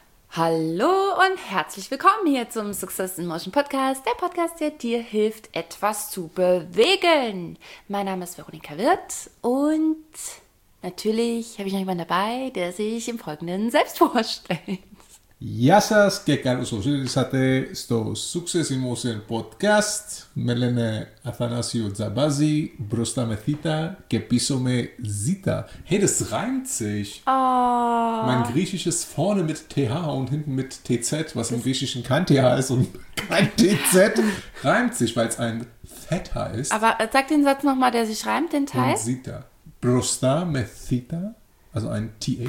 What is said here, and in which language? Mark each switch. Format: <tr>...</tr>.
<de>Hallo und herzlich willkommen hier zum Success in Motion Podcast, der Podcast, der dir hilft, etwas zu bewegen. Mein Name ist Veronika Wirth und natürlich habe ich noch jemanden dabei, der sich im Folgenden selbst vorstellt.</de> <el>Γεια σας και καλώς ήρθατε στο Success in Motion Podcast. Με λένε Αθανάσιο Τζαμπάζη, μπροστά με θήτα και πίσω με ζήτα.</el> <de>Hey, das reimt sich. Oh. Mein griechisches vorne mit TH und hinten mit TZ, was im Griechischen kein TH ist und kein TZ, reimt sich, weil es ein Theta ist. Aber sag den Satz nochmal, der sich reimt, den Teil. Und ZITA.</de> <el>Brosta me thita,</el> <de>also ein TH.</de>